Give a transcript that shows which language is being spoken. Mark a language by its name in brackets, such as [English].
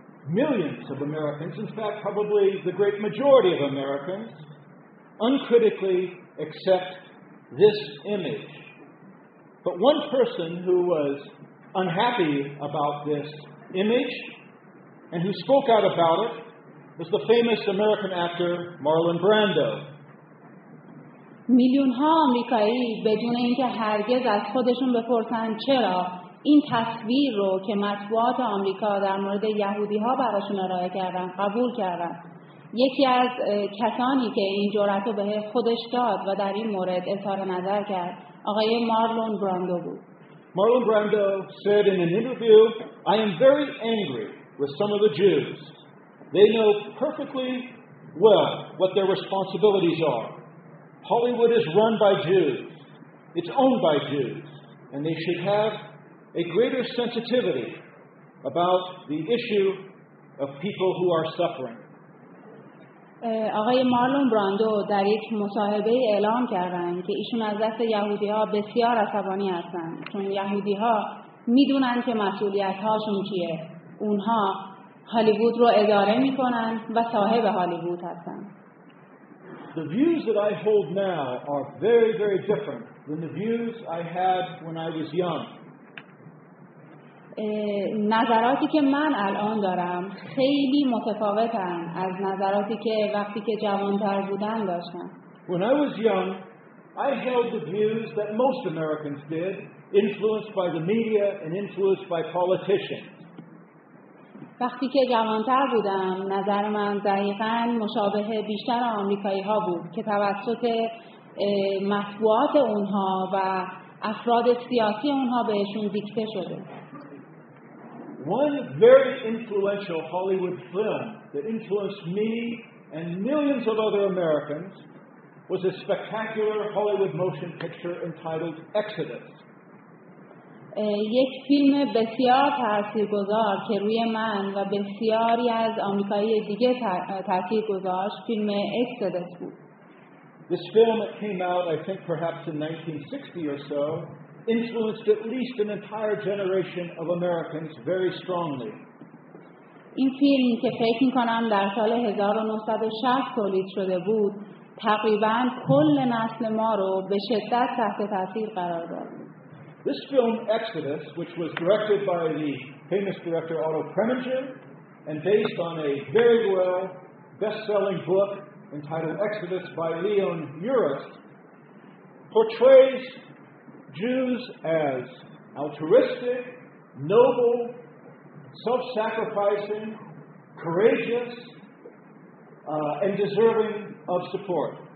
[English] Millions of Americans, in fact probably the great majority of Americans, uncritically accept this image. But one person who was unhappy about this image and who spoke out about it was the famous American actor Marlon Brando. [Persian] میلیون ها آمریکایی بدون اینکه هرگز از خودشون بپرسن چرا، این تصویر رو که مطبوعات آمریکا در مورد یهودی ها براشون ارائه کردن قبول کردن. یکی از کسانی که این جرأت رو به خودش داد و در این مورد اظهار نظر کرد آقای مارلون براندو بود. [English] Marlon Brando said in an interview, I am very angry with some of the Jews. They know perfectly well what their responsibilities are. Hollywood is run by Jews. It's owned by Jews, and they should have a greater sensitivity about the issue of people who are suffering. [Persian] آقای مارلون براندو در یک مصاحبه اعلام کردند که ایشون از دست یهودی‌ها بسیار عصبانی هستند، چون یهودی‌ها می‌دونن که مسئولیت‌هاشون چیه. اونها هالیوود رو اداره می‌کنن و صاحب هالیوود هستن. [English] The views that I hold now are very, very different than the views I had when I was young. [Persian] نظراتی که من الان دارم خیلی متفاوتن از نظراتی که وقتی که جوانتر بودن داشتم. [English] When I was young, I held the views that most Americans did, influenced by the media and influenced by politicians. [Persian] وقتی که جوانتر بودم نظر من دقیقا مشابه بیشتر آمریکایی ها بود که توسط مطبوعات اونها و افراد سیاسی اونها بهشون دیکته شده. [English] One very influential Hollywood film that influenced me and millions of other Americans was a spectacular Hollywood motion picture entitled Exodus. [Persian] یک فیلم بسیار تاثیرگذار که روی من و بسیاری از آمریکایی دیگه تاثیر گذاشت فیلم اکسودس بود. [English] This film that came out I think perhaps in 1960 or so influenced at least an entire generation of Americans very strongly. [Persian] این فیلم که فکر می‌کنم در سال 1960 تولید شده بود تقریبا کل نسل ما رو به شدت تحت تاثیر قرار داد. [English] This film, Exodus, which was directed by the famous director Otto Preminger and based on a very well best-selling book entitled Exodus by Leon Uris, portrays Jews as altruistic, noble, self-sacrificing, courageous, and deserving of support.